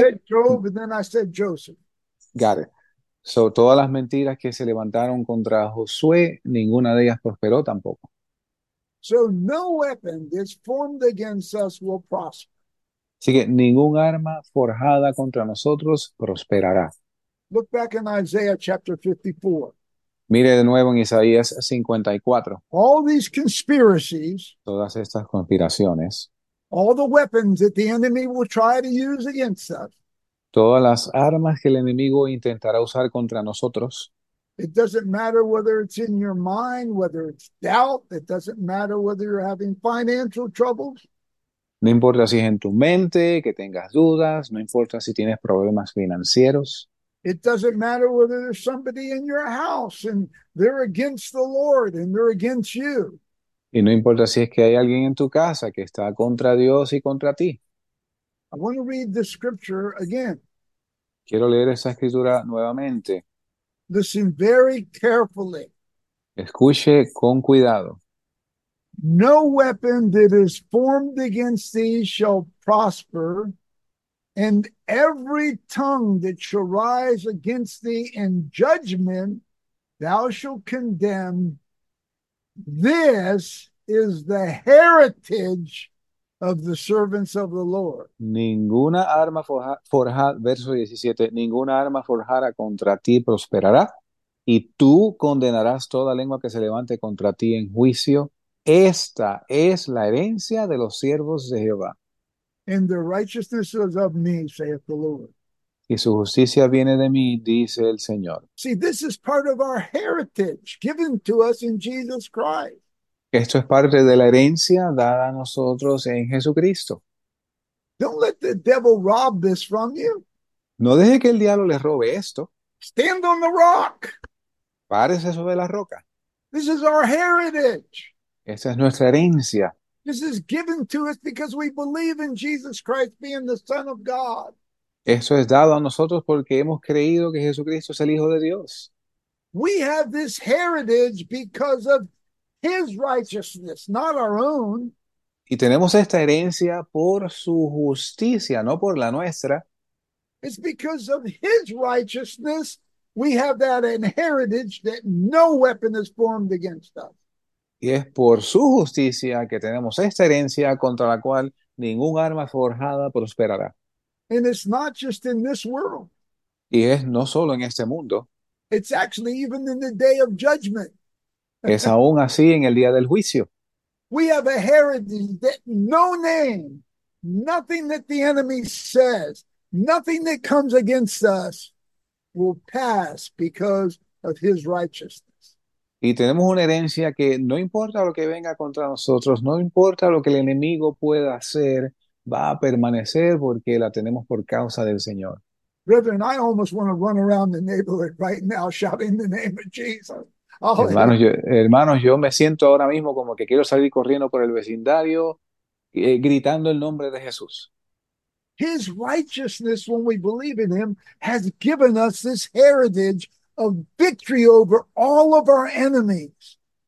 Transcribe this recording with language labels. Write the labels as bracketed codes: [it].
[en] said Job, and then I said Joseph. Got it. [es] So todas las mentiras que se levantaron contra Josué, ninguna de ellas prosperó tampoco. [en] So no weapon that's formed against us will prosper. [es] Así que ningún arma forjada contra nosotros prosperará. [en] Look back in Isaiah chapter 54. [es] Mire de nuevo en Isaías 54. [en] All these conspiracies, [es] Todas estas conspiraciones. [en] all the weapons that the enemy will try to use against us, [es] Todas las armas que el enemigo intentará usar contra nosotros. [en] it doesn't matter whether it's in your mind, whether it's doubt, it doesn't matter whether you're having financial troubles. [es] No importa si es en tu mente, que tengas dudas, no importa si tienes problemas financieros. [en] It doesn't matter whether there's somebody in your house and they're against the Lord and they're against you. [es] Y no importa si es que hay alguien en tu casa que está contra Dios y contra ti. [en] I want to read the scripture again. [es] Quiero leer esa escritura nuevamente. [en] Listen very carefully. [es] Escuche con cuidado. [en] No weapon that is formed against thee shall prosper, and every tongue that shall rise against thee in judgment, thou shalt condemn. This is the heritage of the servants of the Lord. [es] Ninguna arma forjada, verso 17, ninguna arma forjada contra ti prosperará, y tú condenarás toda lengua que se levante contra ti en juicio. Esta es la herencia de los siervos de Jehová. [en] And the righteousness is of me, saith the Lord. [es] Y su justicia viene de mí, dice el Señor. [en] See, this is part of our heritage given to us in Jesus Christ. [es] Esto es parte de la herencia dada a nosotros en Jesucristo. [en] Don't let the devil rob this from you. [es] No deje que el diablo le robe esto. [en] Stand on the rock. [es] Párese sobre la roca. [en] This is our heritage. [es] Esta es nuestra herencia. [en] This is given to us because we believe in Jesus Christ being the Son of God. [es] Eso es dado a nosotros porque hemos creído que Jesucristo es el Hijo de Dios. [en] We have this heritage because of his righteousness, not our own. [es] Y tenemos esta herencia por su justicia, no por la nuestra. [en] It's because of his righteousness we have that inheritance that no weapon is formed against us. [es] Y es por su justicia que tenemos esta herencia contra la cual ningún arma forjada prosperará. [en] And it's not just in this world. [es] Y es no solo en este mundo, [en] It's actually even in the day of judgment. [es] es aún así en el día del juicio. [en] We have a heritage that no name, nothing that the enemy says, nothing that comes against us will pass because of his righteousness. [es] Y tenemos una herencia que no importa lo que venga contra nosotros, no importa lo que el enemigo pueda hacer, va a permanecer porque la tenemos por causa del Señor. [en] Brethren, I almost want to run around the neighborhood right now shouting the name of Jesus. Hallelujah. [es] Hermanos, yo me siento ahora mismo como que quiero salir corriendo por el vecindario, gritando el nombre de Jesús. [en] His righteousness, when we believe in him, has given us this heritage of victory over all of our enemies.